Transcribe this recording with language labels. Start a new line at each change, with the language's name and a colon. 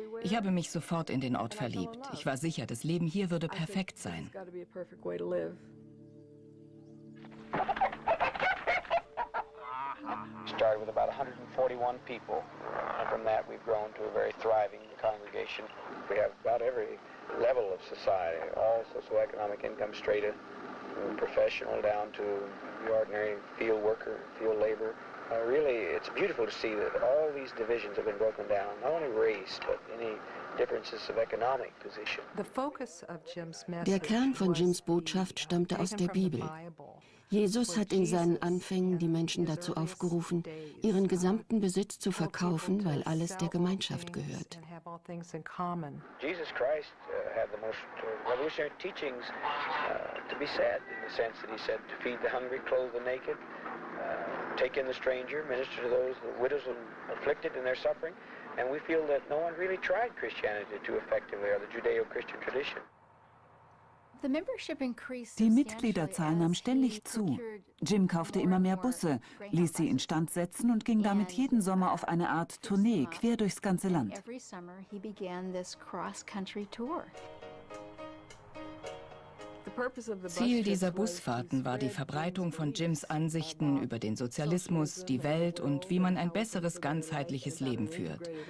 German: Ich habe mich sofort in den Ort verliebt. Ich war sicher, das Leben hier würde perfekt sein.
English: Professional down to the ordinary field worker, field labor. Really, it's beautiful to see that all these divisions have been broken down, not only race, but any differences of economic position. The focus of Jim's message.
German: Der Kern von Jims Botschaft stammte aus der Bibel. Jesus hat in seinen Anfängen die Menschen dazu aufgerufen, ihren gesamten Besitz zu verkaufen, weil alles der Gemeinschaft gehört.
English: Jesus Christ had the most revolutionary teachings to be said, in the sense that he said to feed the hungry, clothe the naked, take in the stranger, minister to those, the widows and afflicted in their suffering. And we feel that no one really tried Christianity too effectively or the Judeo-Christian tradition.
German: Die Mitgliederzahl nahm ständig zu. Jim kaufte immer mehr Busse, ließ sie instand setzen und ging damit jeden Sommer auf eine Art Tournee quer durchs ganze Land. Die Ziel dieser Busfahrten war die Verbreitung von Jims Ansichten über den Sozialismus, die Welt und wie man ein besseres, ganzheitliches Leben führt.